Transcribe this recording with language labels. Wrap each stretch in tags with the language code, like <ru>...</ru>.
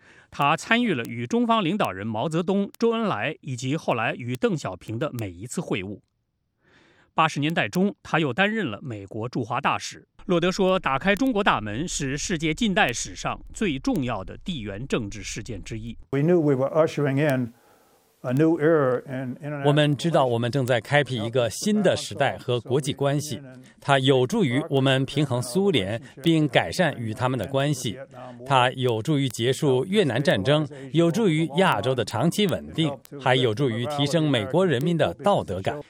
<zh>他参与了与中方领导人毛泽东、周恩来以及后来与邓小平的每一次会晤。八十年代中，他又担任了美国驻华大使。洛德说，打开中国大门是世界近代史上最重要的地缘政治事件之一。</zh> <en>We knew we were ushering in a new era in</en> <zh>我们知道我们正在开辟一个新的时代和国际关系，它有助于我们平衡苏联并改善与他们的关系，它有助于结束越南战争，有助于亚洲的长期稳定，还有助于提升美国人民的道德感。</zh>